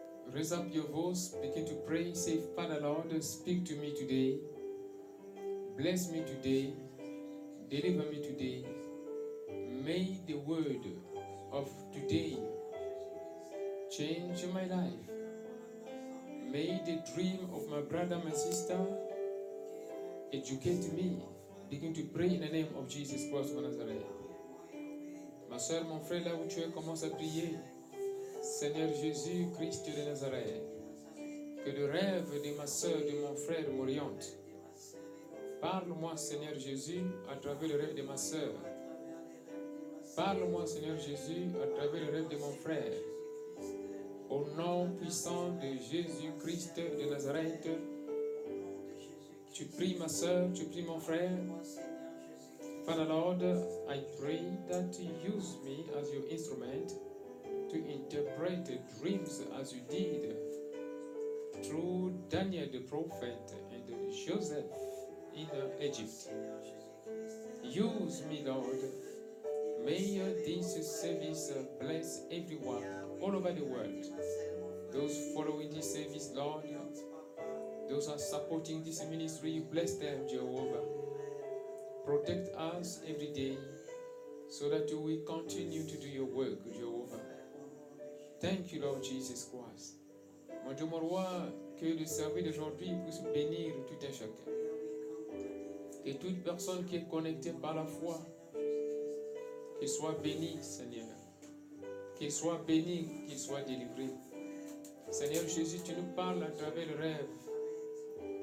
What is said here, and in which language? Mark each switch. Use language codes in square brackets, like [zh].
[en] Raise up your voice, begin to pray, say, Father Lord, speak to me today. Bless me today. Deliver me today. May the word of today change my life. May the dream of my brother, my sister, educate me. Begin to pray in the name of Jesus Christ of Nazareth. [fr] Ma soeur, mon frère, là où tu es, commence à prier. Seigneur Jésus Christ de Nazareth, que le rêve de ma soeur, de mon frère m'oriente. Parle-moi, Seigneur Jésus, à travers le rêve de ma soeur. Parle-moi, Seigneur Jésus, à travers le rêve de mon frère. Au nom puissant de Jésus Christ de Nazareth, tu pries ma soeur, tu pries mon frère. [en] Father Lord, I pray that you use me as your instrument to interpret dreams as you did through Daniel the prophet and Joseph in Egypt. Use me, Lord. May this service bless everyone all over the world. Those following this service, Lord, those are supporting this ministry, bless them, Jehovah. Protect us every day so that we continue to do your work, Jehovah. Thank you, Lord Jesus Christ. [fr] Mon Dieu, mon roi, que le service d'aujourd'hui puisse bénir tout un chacun. Que toute personne qui est connectée par la foi, qu'il soit béni, Seigneur. Qu'il soit béni, qu'il soit délivré. Seigneur Jésus, tu nous parles à travers le rêve.